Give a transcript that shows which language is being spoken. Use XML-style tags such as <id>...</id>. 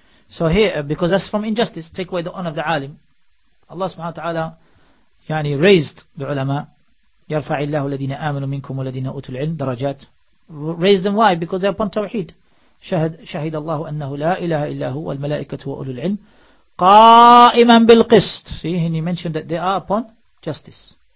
<en>So here, because that's from injustice, take away the honor of the alim. Allah subhanahu wa ta'ala raised the ulama,</en> <ar>يَرْفَعِ اللَّهُ الَّذِينَ آمَنُوا مِنْكُمْ وَالَّذِينَ أُوتُوا الْعِلْمِ درجات.</ar> <en>Raised them, why? Because they're upon tawheed.</en> <ar>شهد الله أنه لا إله إلا هو والملائكة وأولو العلم قائماً بالقسط.</ar> <en>See, and he mentioned that they are upon justice.</en>